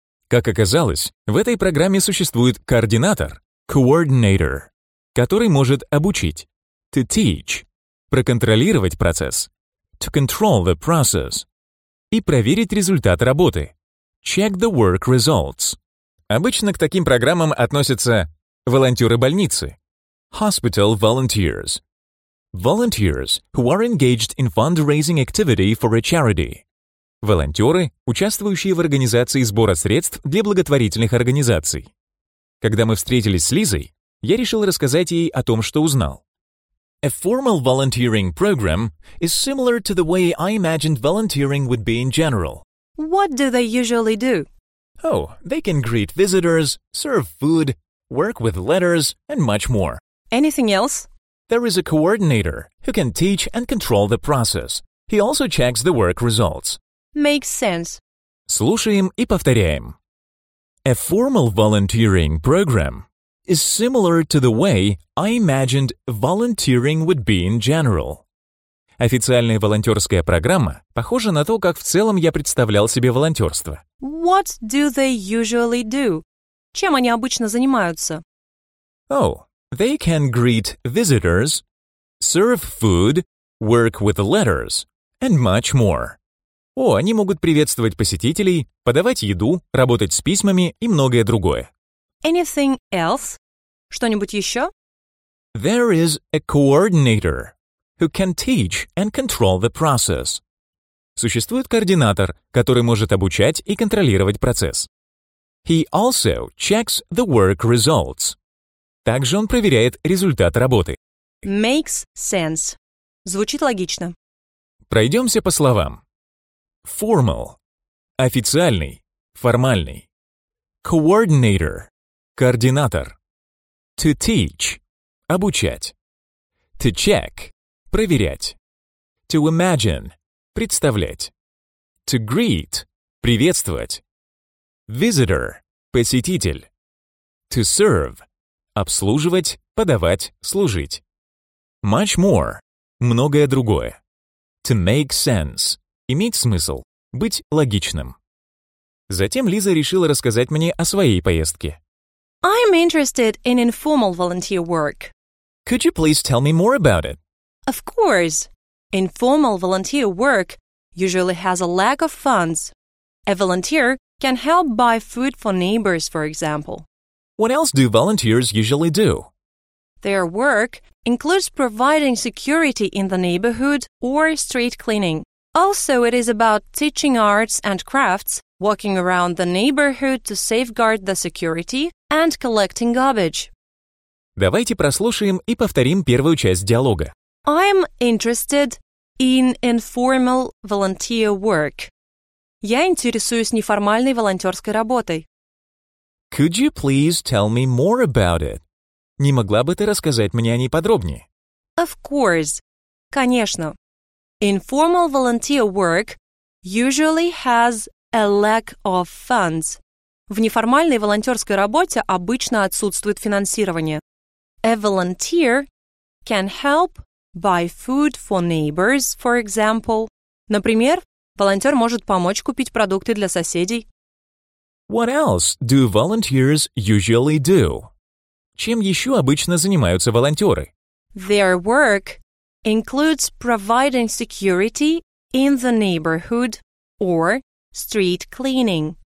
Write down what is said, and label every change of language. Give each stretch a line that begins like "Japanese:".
Russian: Как оказалось, в этой программе существует координатор, coordinator, который может обучить,
English: to teach,
Russian: проконтролировать процесс,
English: to control the process,
Russian: и проверить результат работы,
English: check the work results.
Russian: Обычно к таким программам относятся волонтеры больницы,
English: hospital volunteers, volunteers who are engaged in fundraising activity for a charity.
Russian: Волонтеры, участвующие в организации сбора средств для благотворительных организаций. Когда мы встретились с Лизой, я решил рассказать ей о том, что узнал.
English: A formal volunteering program is similar to the way I imagined volunteering would be in general. What do they usually do? Oh, they can greet visitors, serve food, work with letters, and much more. Anything else? There is a coordinator who can teach and control the process. He also checks the work results. Makes sense.
Russian: Слушаем и повторяем.
English: A formal volunteering program is similar to the way I imagined volunteering would be in general.
Russian: Официальная волонтерская программа похожа на то, как в целом я представлял себе волонтерство.
English: What do they usually do?
Russian: Чем они обычно занимаются?
English: Oh, they can greet visitors, serve food, work with letters, and much more.
Russian: О, они могут приветствовать посетителей, подавать еду, работать с письмами и многое другое.
English: Anything else?
Russian: Что-нибудь еще?
English: There is a coordinator who can teach and control the process.
Russian: Существует координатор, который может обучать и контролировать процесс.
English: He also checks the work results.
Russian: Также он проверяет результат работы.
English: Makes sense.
Russian: Звучит логично. Пройдемся по словам. Formal – официальный, формальный.
English: Coordinator – координатор. To teach – обучать. To check – проверять. To imagine – представлять. To greet – приветствовать. Visitor – посетитель. To serve
Russian: – обслуживать, подавать, служить.
English: Much more –
Russian: многое другое.
English: To make sense
Russian: – иметь смысл, быть логичным. Затем Лиза решила рассказать мне о своей поездке.
English: I'm interested in informal volunteer work. Could you please tell me more about it? Of course. Informal volunteer work usually has a lack of funds. A volunteer can help buy food for neighbors, for example. What else do volunteers usually do? Their work includes providing security in the neighborhood or street cleaning. Also, it is about teaching arts and crafts, walking around the neighborhood to safeguard the security, and collecting garbage.
Russian: Давайте прослушаем и повторим первую часть диалога.
English: I'm interested in informal volunteer work.
Russian: Я интересуюсь неформальной волонтерской работой.
English: Could you please tell me more about it?
Russian: Не могла бы ты рассказать мне о ней подробнее?
English: Of course.
Russian: Конечно.
English: Informal volunteer work usually has a lack of funds.
Russian: В неформальной волонтерской работе обычно отсутствует финансирование.
English: A volunteer can help buy food for neighbors, for example.
Russian: Например, волонтер может помочь купить продукты для соседей.
English: What else do volunteers usually do?
Russian: Чем еще обычно занимаются волонтеры?
English: Their work includes providing security in the neighborhood or street cleaning.